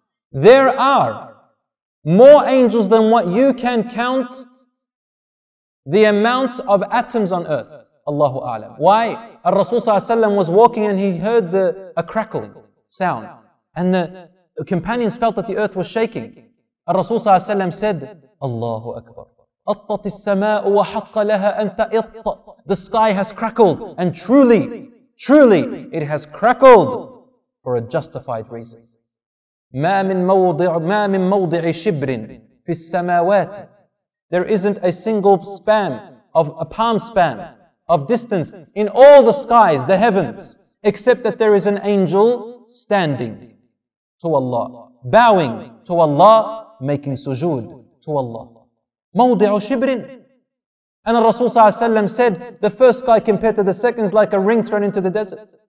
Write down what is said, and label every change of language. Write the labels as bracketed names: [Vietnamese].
[English] There are more angels than what you can count the amount of atoms on earth. Allahu A'lam. Why? Al-Rasul Sallallahu Alaihi Wasallam was walking and he heard a crackling sound. And the companions felt that the earth was shaking. Al-Rasul Sallallahu Alaihi Wasallam said, Allahu Akbar. [Arabic] أطت السماء وحق لها أن تأط. [English] The sky has crackled. And truly, truly, it has crackled for a justified reason. [Arabic] ما من موضع شبر في السماوات. [English] There isn't a single span of a palm span of distance in all the skies, the heavens, except that there is an angel standing to Allah, bowing to Allah, making sujood to Allah. Mawdi'u shibrin. And Rasul Sallallahu Alaihi Wasallam said, the first sky compared to the second is like a ring thrown into the desert.